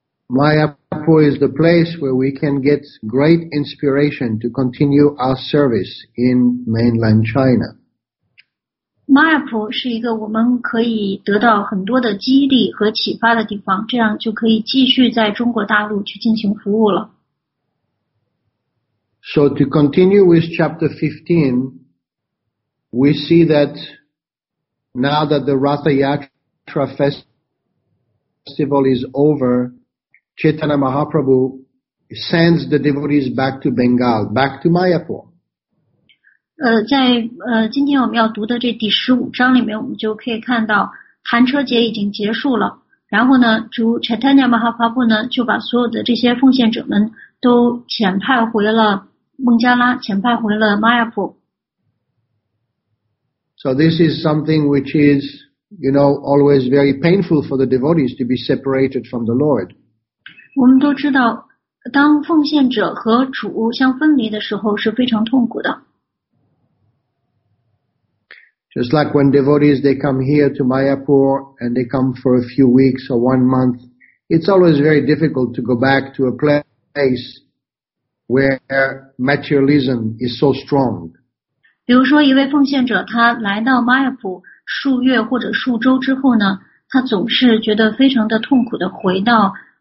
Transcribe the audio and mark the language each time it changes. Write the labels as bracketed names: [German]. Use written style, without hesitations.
[English] Mayapur is the place where we can get great inspiration to continue our service in mainland China. [Chinese] Mayapur 是一个我们可以得到很多的激励和启发的地方，这样就可以继续在中国大陆去进行服务了。 [English] So to continue with chapter 15, we see that now that the Ratha Yatra festival is over,Chaitanya Mahaprabhu sends the devotees back to Bengal, back to Mayapur. [Chinese] 在今天我们要读的这第十五章里面，我们就可以看到寒车节已经结束了。然后呢，主 Chaitanya Mahaprabhu 呢就把所有的这些奉献者们都遣派回了孟加拉，遣派回了 Mayapur. [English] So this is something which is, you know, always very painful for the devotees to be separated from the Lord. [Chinese] 我们都知道，当奉献者和主相分离的时候是非常痛苦的。 [English] Just like when devotees they come here to Mayapur and they come for a few weeks or 1 month, it's always very difficult to go back to a place where materialism is so strong. [Chinese] 比如说，一位奉献者他来到 Mayapur 数月或者数周之后呢，他总是觉得非常的痛苦的回到。